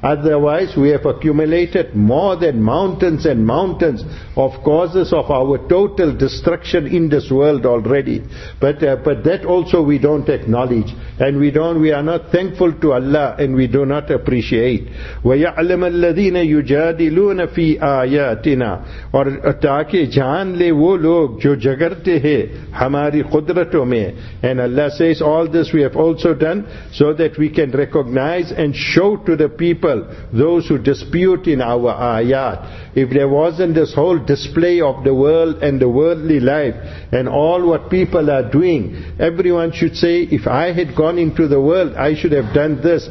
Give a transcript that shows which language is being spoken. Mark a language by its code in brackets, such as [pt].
[en] Otherwise, we have accumulated more than mountains and mountains of causes of our total destruction in this world already. But that also we don't acknowledge, and we are not thankful to Allah, and we do not appreciate. [ar] وَيَعْلَمَ الَّذِينَ يُجَادِلُونَ فِي آيَاتِنَا. [ur] اور تاکہ جان لے وہ لوگ جو جگرتے ہیں ہماری قدرتوں میں. [en] And Allah says, all this we have also done so that we can recognize and show to the people those who dispute in our ayat. If there wasn't this whole display of the world and the worldly life and all what people are doing, everyone should say, if I had gone into the world, I should have done this.